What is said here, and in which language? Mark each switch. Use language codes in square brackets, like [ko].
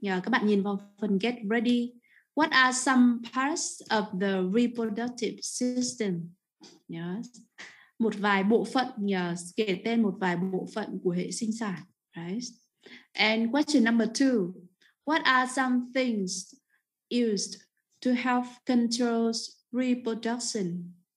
[vi] Các bạn nhìn vào phần get ready. [en] What are some parts of the reproductive system? Yes. [vi] Một vài bộ phận kể tên một vài bộ phận của hệ sinh sản. [en] Right. And question number two, what are some things used to help control reproduction?